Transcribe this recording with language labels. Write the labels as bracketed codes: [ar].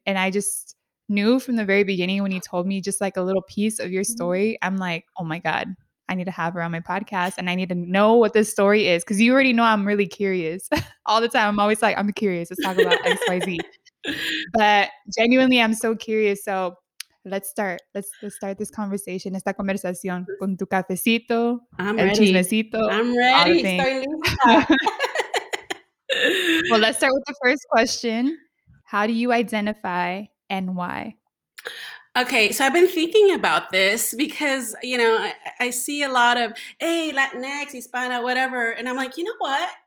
[en] And I just knew from the very beginning when you told me just like a little piece of your story, I'm like, oh my God. I need to have her on my podcast and I need to know what this story is. Cause you already know I'm really curious all the time. I'm always like, I'm curious. Let's talk about X, Y, Z. But genuinely, I'm so curious. So let's start this conversation. [es] Esta conversación con tu cafecito. [en] I'm ready. Well, let's start with the first question. How do you identify and why? Okay, so I've been thinking about this because, you know, I see a lot of, hey, Latinx, Hispana, whatever. And I'm like, you know what?